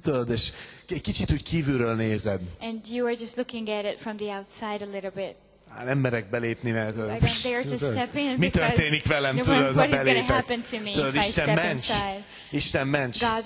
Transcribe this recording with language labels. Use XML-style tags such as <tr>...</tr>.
<hu>És egy kicsit úgy kívülről nézed.</hu> <en>And you are just looking at it from the outside a little bit.</en> <hu>Nem merek belépni, mert mi történik velem, tudod, ha belépek. Tudod, Isten ments. Isten ments.</hu>